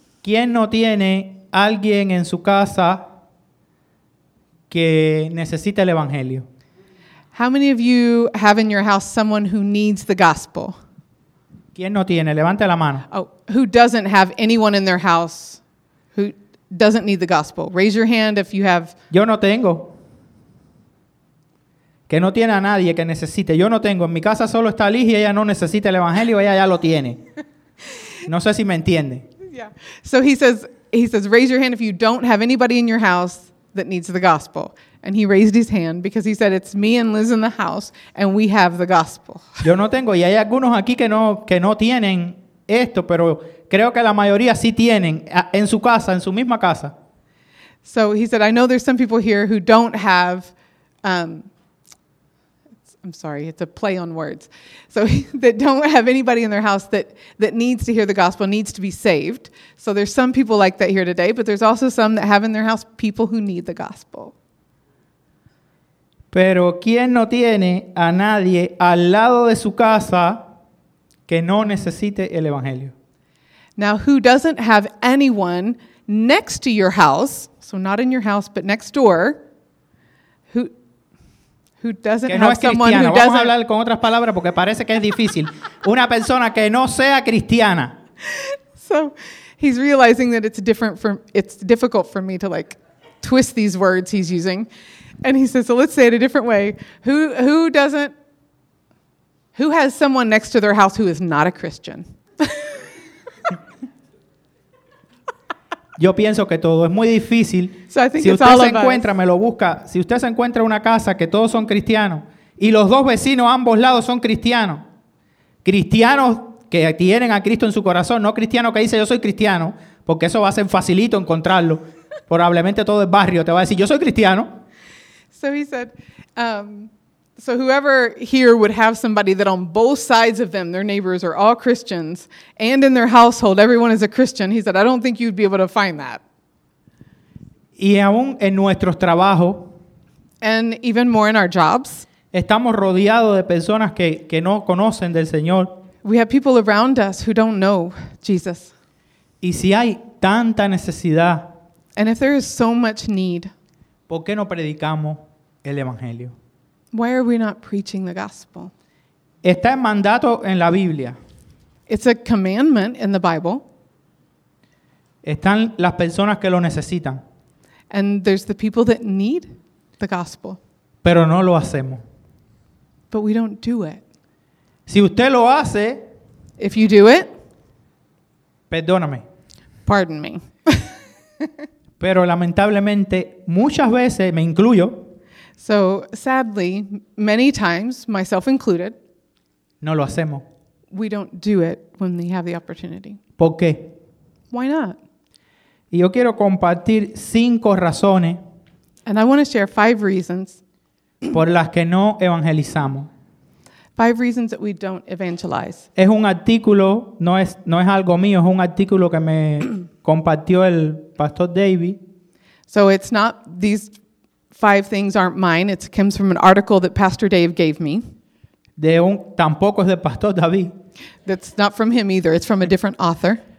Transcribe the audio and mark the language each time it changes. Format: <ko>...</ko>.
<es>¿Quién no tiene alguien en su casa que necesita el evangelio?</es> <en>How many of you have in your house someone who needs the gospel?</en> <es>¿Quién no tiene? Levante la mano.</es> <en>Oh, who doesn't have anyone in their house who doesn't need the gospel? Raise your hand if you have.</en> <es>Yo no tengo. Que no tiene a nadie que necesite. Yo no tengo. En mi casa solo está Liz y ella no necesita el evangelio, ella ya lo tiene. No sé si me entiende.</es> <en>Yeah. So he says, raise your hand if you don't have anybody in your house that needs the gospel. And he raised his hand because he said, it's me and Liz in the house and we have the gospel.</en> <es>Yo no tengo, y hay algunos aquí que no tienen esto, pero creo que la mayoría sí tienen en su casa, en su misma casa.</es> <en>So he said, I know there's some people here who don't have, I'm sorry, it's a play on words. So that don't have anybody in their house that needs to hear the gospel, needs to be saved. So there's some people like that here today, but there's also some that have in their house people who need the gospel.</en> <es>Pero ¿quién no tiene a nadie al lado de su casa que no necesite el evangelio?</es> <en>Now, who doesn't have anyone next to your house, so not in your house, but next door, who doesn't</en> <es>no</es> <en>have</en> <es>cristiano.</es> <en>Someone who</en> <es>Vamos</es> <en>doesn't...</en> <es>Vamos a hablar con otras palabras porque parece que es difícil. Una persona que no sea cristiana.</es> <en>So, he's realizing that it's difficult for me to, like, twist these words he's using. And he says, so let's say it a different way. Who has someone next to their house who is not a Christian?</en> <es>Yo pienso que todo es muy difícil.</es> <en>So I think</en> <es>si</es> <en>it's</en> <es>usted</es> <en>all</en> <es>se encuentra, me lo busca. Si usted se encuentra una casa que todos son cristianos y los dos vecinos a ambos lados son cristianos, cristianos que tienen a Cristo en su corazón, no cristianos que dicen yo soy cristiano, porque eso va a ser facilito encontrarlo. Probablemente todo el barrio te va a decir yo soy cristiano.</es> <en>So he said, so whoever here would have somebody that on both sides of them, their neighbors are all Christians, and in their household, everyone is a Christian. He said, I don't think you'd be able to find that.</en> <es>Y aún en nuestros trabajos.</es> <en>And even more in our jobs.</en> <es>Estamos rodeados de personas que no conocen del Señor.</es> <en>We have people around us who don't know Jesus.</en> <es>Y si hay tanta necesidad.</es> <en>And if there is so much need.</en> <es>¿Por qué no predicamos el evangelio?</es> <en>Why are we not preaching the gospel?</en> <es>Está en mandato en la Biblia.</es> <en>It's a commandment in the Bible.</en> <es>Están las personas que lo necesitan.</es> <en>And there's the people that need the gospel.</en> <es>Pero no lo hacemos.</es> <en>But we don't do it.</en> <es>Si usted lo hace,</es> <en>if you do it,</en> <es>perdóname.</es> <en>Pardon me.</en> <es>Pero lamentablemente muchas veces me incluyo.</es> <en>So sadly, many times, myself included,</en> <es>no lo hacemos.</es> <en>We don't do it when we have the opportunity.</en> <es>¿Por qué?</es> <en>Why not?</en> <es>Y yo quiero compartir cinco razones.</es> <en>And I want to share five reasons</en> <es>por las que no evangelizamos.</es> <en>Five reasons that we don't evangelize.</en> <es>Es un artículo, no es algo mío, es un artículo que me compartió el Pastor David.</es> <en>So it's not, these five things aren't mine. It comes from an article that Pastor Dave gave me.</en> <es>Tampoco es del Pastor David.</es> <en>That's not from him either. It's from a different author.</en>